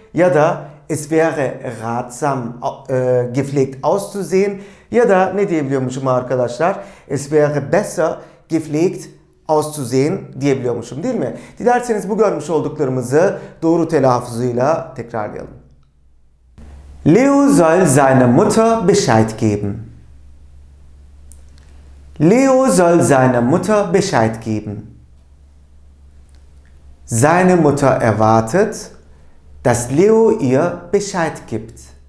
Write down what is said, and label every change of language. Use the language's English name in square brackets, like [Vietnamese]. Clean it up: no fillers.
[Turkish] Ya da [German] es wäre ratsam gepflegt auszusehen. [Turkish] Ya da ne diyebiliyormuşum arkadaşlar? [German] Es wäre besser gepflegt auszusehen [Turkish] diyebiliyormuşum, değil mi? Dilerseniz bu görmüş olduklarımızı doğru telaffuzuyla tekrarlayalım. [German] Leo soll seiner Mutter Bescheid geben. Leo soll seiner Mutter Bescheid geben. Seine Mutter erwartet, dass Leo ihr Bescheid gibt.